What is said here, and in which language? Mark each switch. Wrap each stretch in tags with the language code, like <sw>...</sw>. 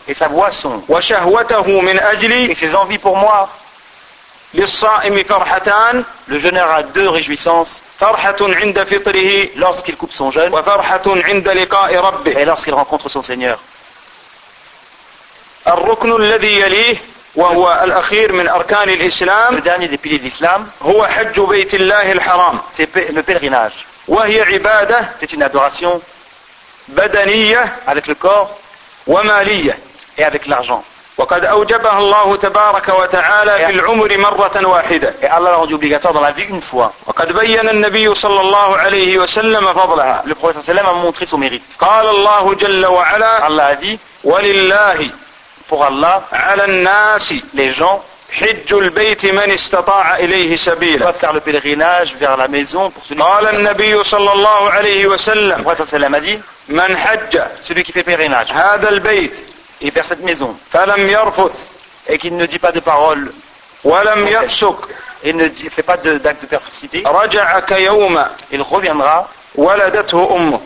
<fr>et sa boisson.</fr> <ar>وشهوته من أجلي,</ar> <fr>et ses envies pour moi.</fr> <ar>للصائم فرحتان,</ar> <fr>le jeûneur a deux réjouissances.</fr> <ar>فرحة عند فطره,</ar> <fr>lorsqu'il coupe son jeûne.</fr> <ar>وفرحة عند لقاء ربه,</ar> <fr>et lorsqu'il rencontre son Seigneur.</fr> <ar>الركن الذي يليه, وهو الأخير من أركان الإسلام.</ar> <fr>Le dernier des piliers de l'islam.</fr> <ar>هو حج بيت الله الحرام.</ar> <fr>C'est le pèlerinage.</fr> <ar>وهي عبادة.</ar> <fr>C'est une adoration.</fr> <ar>بدنية.</ar> <fr>Avec le corps.</fr> <ar>ومالية.</ar> <fr>Et avec l'argent.</fr> <ar>وقد أوجبها الله تبارك وتعالى في العمر مرة واحدة.</ar> <fr>Et Allah l'a rendu obligatoire dans la vie une fois.</fr> <ar>وقد بين النبي صلى الله عليه وسلم فضلها.</ar> <fr>Le prophète</fr> <ar>صلى الله عليه وسلم</ar> <fr>a montré son mérite.</fr> <ar>قال الله جل وعلا.</ar> <fr>Allah a dit.</fr> <ar>ولله.</ar> <fr>Pour Allah,</fr> <ar>على الناس,</ar> <fr>les gens,</fr> <ar>حج البيت من استطاع إليه سبيلا.</ar> <fr>Va faire le pèlerinage vers la maison pour celui.</fr> <ar>قال النبي صلى الله عليه وسلم.</ar> <fr>Le prophète</fr> <ar>صلى الله عليه وسلم</ar> <fr>a dit.</fr> <ar>من حج,</ar> <fr>celui qui fait pèlerinage.</fr> <ar>هذا البيت.</ar> <fr>Et vers cette maison.</fr> <ar>فلم يرفث,</ar> <fr>et qu'il ne dit pas de paroles.</fr> <ar>ولم يفسق,</ar> <fr>et ne fait pas d'acte de perversité.</fr> <ar>رجع كيوم,</ar> <fr>il reviendra.</fr> <ar>ولدته أمه,</ar>